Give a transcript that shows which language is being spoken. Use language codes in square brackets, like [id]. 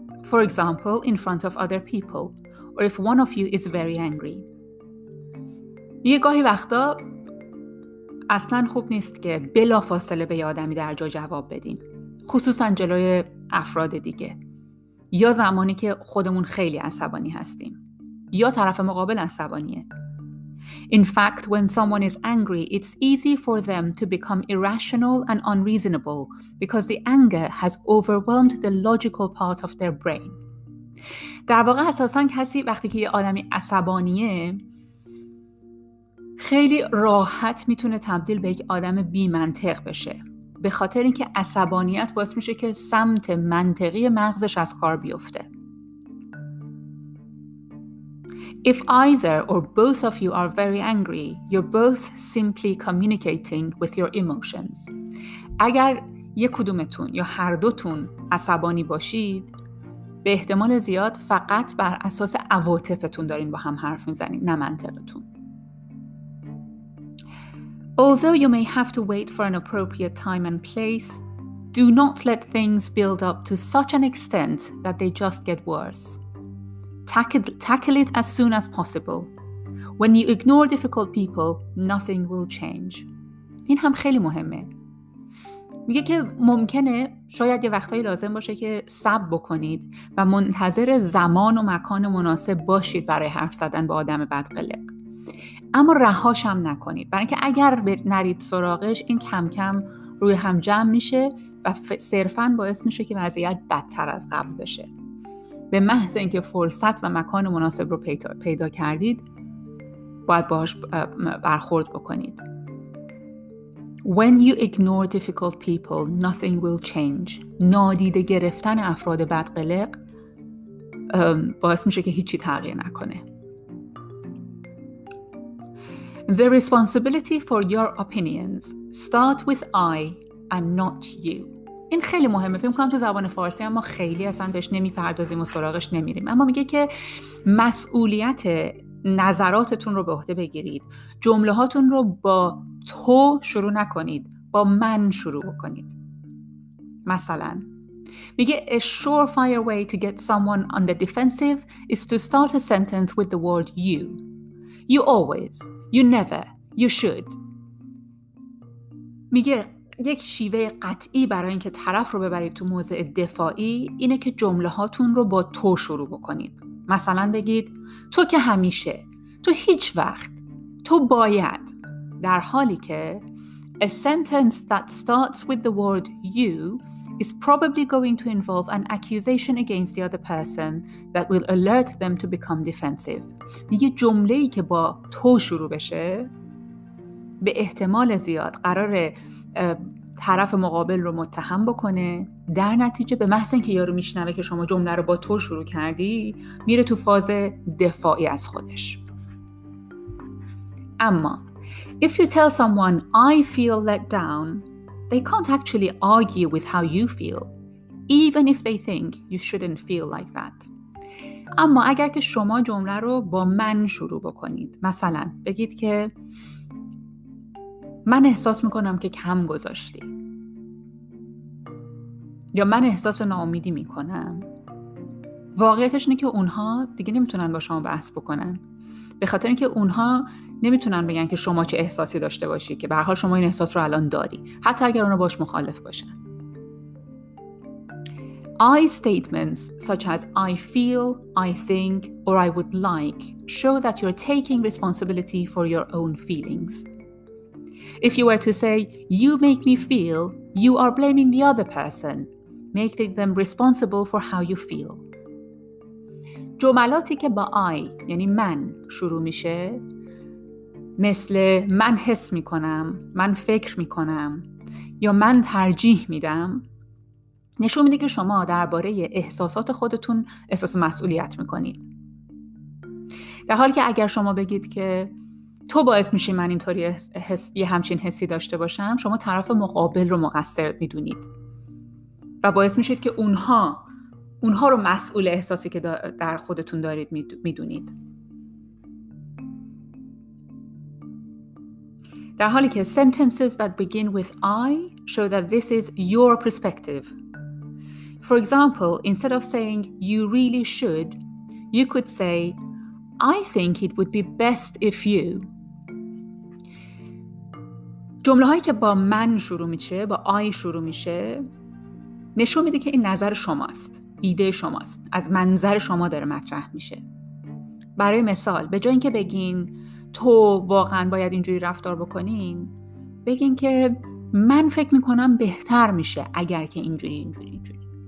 [en] For example, in front of other people or if one of you is very angry. [fa] یه گاهی وقتا اصلا خوب نیست که بلا فاصله به آدمی در جا جواب بدیم، خصوصا جلوی افراد دیگه، یا زمانی که خودمون خیلی عصبانی هستیم یا طرف مقابل عصبانیه. [en] In fact, when someone is angry, it's easy for them to become irrational and unreasonable because the anger has overwhelmed the logical part of their brain. [fa] در واقع اساسا کسی وقتی که یه آدمی عصبانیه، خیلی راحت میتونه تبدیل به یک آدم بیمنطق بشه، به خاطر اینکه عصبانیت باعث میشه که سمت منطقی مغزش از کار بیفته. [en] If either or both of you are very angry, you're both simply communicating with your emotions. [fa] اگر یک کدومتون یا هر دوتون عصبانی باشید، به احتمال زیاد فقط بر اساس عواطفتون دارین با هم حرف میزنین، نه منطقتون. [en] Although you may have to wait for an appropriate time and place, do not let things build up to such an extent that they just get worse. Tackle it as soon as possible. When you ignore difficult people, nothing will change. [fa] این هم خیلی مهمه. میگه که ممکنه شاید یه وقتایی لازم باشه که صبر بکنید و منتظر زمان و مکان مناسب باشید برای حرف زدن با آدم بدقلق. اما رهاش هم نکنید. برای اینکه اگر نرید سراغش، این کم کم روی هم جمع میشه و صرفاً باعث میشه که وضعیت بدتر از قبل بشه. به محض اینکه فرصت و مکان مناسب رو پیدا کردید، باید باهاش برخورد بکنید. [en] When you ignore difficult people, nothing will change. [fa] نادیده گرفتن افراد بدقلق باعث میشه که هیچی تغییر نکنه. [en] The responsibility for your opinions start with I and not you. [fa] این خیلی مهمه. فکر کنم تو زبان فارسی هم ما خیلی اصلا بهش نمیپردازیم و سراغش نمیریم. اما میگه که مسئولیت نظراتتون رو به عهده بگیرید. جمله هاتون رو با تو شروع نکنید، با من شروع بکنید. مثلا میگه [en] a surefire way to get someone on the defensive is to start a sentence with the word you. You always, you never, you should. [fa] میگه یک شیوه قطعی برای اینکه طرف رو ببرید تو موضع دفاعی اینه که جمله هاتون رو با تو شروع بکنید. مثلا بگید تو که همیشه، تو هیچ وقت، تو باید. در حالی که [en] a sentence that starts with the word you is probably going to involve an accusation against the other person that will alert them to become defensive. [fa] یه جمله‌ای که با تو شروع بشه به احتمال زیاد قرار طرف مقابل رو متهم بکنه. در نتیجه به محض اینکه یارو میشنوه که شما جمله رو با تو شروع کردی، میره تو فاز دفاعی از خودش. اما [en] if you tell someone I feel let down, they can't actually argue with how you feel, even if they think you shouldn't feel like that. [fa] اما اگر که شما جمله رو با من شروع بکنید، مثلا بگید که من احساس میکنم که کم گذاشتی، یا من احساس ناامیدی میکنم، واقعیتش اینه که اونها دیگه نمیتونن با شما بحث بکنن، به خاطر اینکه اونها نمیتونن بگن که شما چه احساسی داشته باشی که به هر حال شما این احساس رو الان داری، حتی اگر اونا باش مخالف باشن. [en] I statements such as I feel, I think, or I would like show that you're taking responsibility for your own feelings. If you were to say you make me feel, you are blaming the other person, making them responsible for how you feel. [fa] جملاتی که با I یعنی من شروع میشه، مثل من حس میکنم، من فکر میکنم، یا من ترجیح میدم، نشون میده که شما درباره احساسات خودتون احساس مسئولیت میکنید. در حالی که اگر شما بگید که تو باعث میشی من اینطوری یه همچین حسی داشته باشم، شما طرف مقابل رو مقصر میدونید و باعث میشید که اونها رو مسئول احساسی که در خودتون دارید میدونید. در حالی که [en] sentences that begin with I show that this is your perspective. For example, instead of saying you really should, you could say I think it would be best if you. [fa] جمله هایی که با من شروع میشه، با I شروع میشه، نشون میده که این نظر شماست، ایده شماست، از منظر شما داره مطرح میشه. برای مثال به جای اینکه بگین تو واقعا باید اینجوری رفتار بکنین، بگین که من فکر میکنم بهتر میشه اگر که اینجوری اینجوری اینجوری.